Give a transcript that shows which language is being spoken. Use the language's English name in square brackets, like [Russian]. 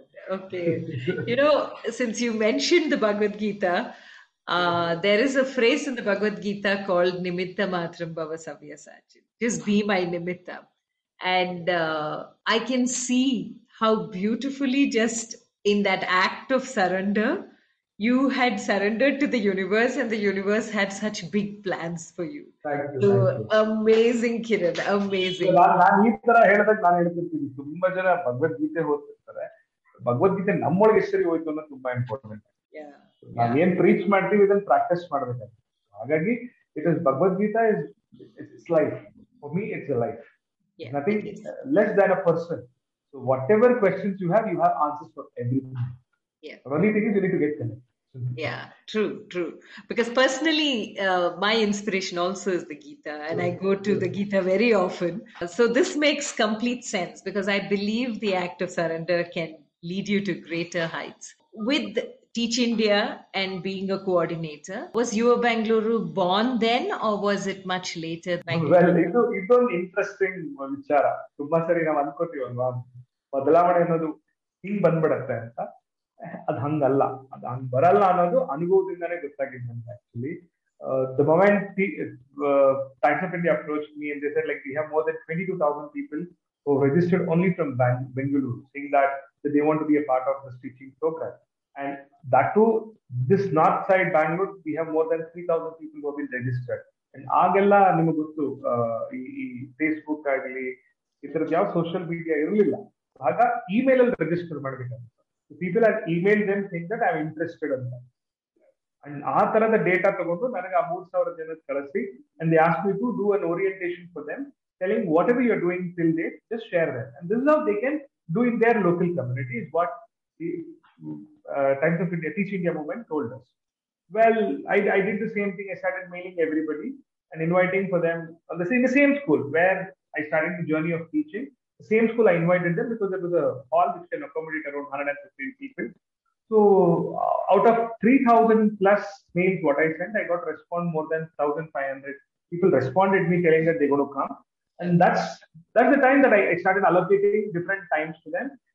[English] Okay, you know, since you mentioned the Bhagavad Gita, there is a phrase in the Bhagavad Gita called [Sanskrit] "Nimitta Matram Bhava Savyasachit," [English] just be my nimitta. And I can see how beautifully, just in that act of surrender, you had surrendered to the universe, and the universe had such big plans for you. Thank you, thank So you. amazing, Kiran, amazing. [Kannada] ನಾನು ಈ ತರ ಹೇಳಿದಾಗ ನಾನು ಹೇಳ್ತಿರ್ತೀನಿ, ತುಂಬಾ ಜನ ಭಗವದ್ಗೀತೆ ಓದ್ತಿರ್ತಾರೆ. ಭಗವದ್ಗೀತೆ ನಮ್ಮೊಳಗೆ ಸರಿ ಹೋಯ್ತು ಅನ್ನೋದು ತುಂಬಾ ಇಂಪಾರ್ಟೆಂಟ್. ನಾವು ಏನ್ ಪ್ರೀಚ್ ಮಾಡ್ತೀವಿ ಇದನ್ನ ಪ್ರಾಕ್ಟೀಸ್ ಮಾಡ್ಬೇಕಾಗುತ್ತೆ. ಹಾಗಾಗಿ [English] It is Bhagavad Gita is it's life for me, it's a life, nothing less than a person. So what ever questions you have answers for everything. Only thing is you need to get connect. True, true. Because personally, my inspiration also is the Gita, and I go to the Gita very often. So this makes complete sense, because I believe the act of surrender can lead you to greater heights. With Teach India and being a coordinator, was UO Bangalore born then, or was it much later? [Kannada] Well, ಇದು ಇದೊಂದು interesting ವಿಚಾರ. ತುಂಬಾ ಸರಿ ನಾವು ಅನ್ಕೋತೀವಲ್ವಾ, ಬದಲಾವಣೆ ಅನ್ನೋದು ಹಿಂಗ್ ಬಂದ್ಬಿಡತ್ತೆ ಅಂತ. ಅದ್ ಹಂಗಲ್ಲ, ಅದ್ ಹಂಗ್ ಬರಲ್ಲ ಅನ್ನೋದು ಅನುಭವದಿಂದಾನೇ ಗೊತ್ತಾಗಿದೆ ನಮ್ಗೆ. [English] Actually the moment Times of India approached me and they said, like, we have more than 22,000 people who registered only from Bengaluru, saying that they want to be a part of this teaching program. And that too, this north side Bangalore, we have more than 3,000 people who have been registered. [Kannada] And ಆಗೆಲ್ಲ ನಿಮಗೆ ಗೊತ್ತು, ಈ Facebook ಆಗಲಿ ಈ ತರದ ಯಾವ social media ಇರಲಿಲ್ಲ. ಆಗ ಇಮೇಲ್ ಅಲ್ಲಿ ರಿಜಿಸ್ಟರ್ ಮಾಡ್ಬೇಕಂತ. [English] People are email then think that I am interested ಅಂತ. And [Kannada] ಆ ತರದ ಡೇಟಾ ತಗೊಂಡು ನನಗೆ ಆ 3,000 ಜನ ಕಳಿಸಿ, [English] And they ask me to do an orientation for them, telling whatever you are doing till date, just share that. And this is how they can do in their local community, is what the Times of India Teach India movement told us. Well, I did the same thing. I started mailing everybody and inviting for them in the same school where I started the journey of teaching. same school I invited them because there was a hall which can accommodate around 115 people. So out of 3,000 plus mails what I sent, I got respond more than 1,500 people responded me telling that they're going to come. And that's the time that I started allocating different times to them.